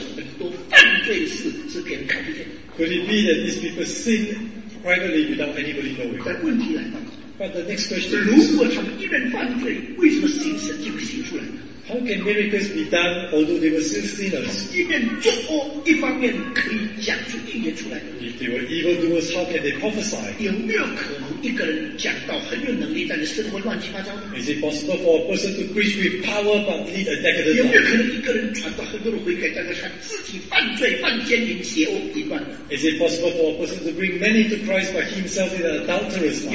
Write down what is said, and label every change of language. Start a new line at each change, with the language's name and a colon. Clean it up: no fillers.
Chinese: 会不会是他们一方面行神迹,一方面奉主的灵感恩,一方面做了很多犯罪事,是给人看不见?
English: Could it be that these people sin privately without anybody knowing?
Chinese: 但问题来了,
English: but the next question is,
Chinese: 如果他们一边犯罪,为什么行神迹会行出来?
English: How can miracles be done although they were still sinners?
Chinese: 一边作恶,一方面可以讲出预言出来?
English: If they were evildoers, how can they prophesy?
Chinese: 有没有可能一个人讲到很有能力,但是生活乱七八糟?
English: Is it possible for a person to preach with power but lead a decadent life?
Chinese: 有没有可能一个人传到很多人悔改,但是他自己犯罪,犯奸淫,邪恶淫乱?
English: Is it possible for a person to bring many to Christ but himself in an adulterous life?